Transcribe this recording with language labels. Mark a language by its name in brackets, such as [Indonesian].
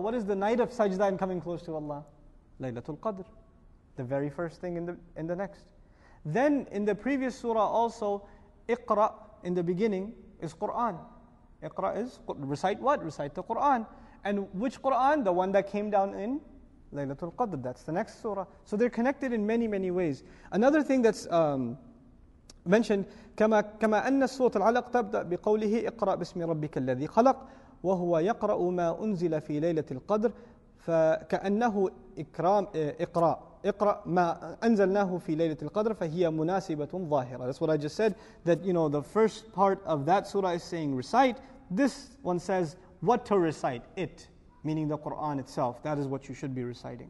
[English] What is the night of sajda and coming close to Allah? Laylatul Qadr, the very first thing in the next. Then in the previous surah also, iqra in the beginning, is Qur'an. Iqra is, recite what? Recite the Qur'an. And which Qur'an? The one that came down in Laylatul Qadr. That's the next surah. So they're connected in many, many ways. Another thing that's mentioned, [Arabic] كَمَا أَنَّ السُّورَةَ الْعَلَقَ تَبْدَأْ بِقَوْلِهِ اِقْرَأْ بِاسْمِ رَبِّكَ الَّذِي خَلَقْ وَهُوَ يَقْرَأُ مَا أُنزِلَ فِي لَيْلَةِ الْقَدْرِ فَكَأَنَّهُ إِقْرَأْ اقرا ما انزلناه في ليله القدر فهي مناسبه ظاهره. [English] That's what I just said, that you know, the first part of that surah is saying recite. This one says what to recite. It, meaning the Quran itself, that is what you should be reciting.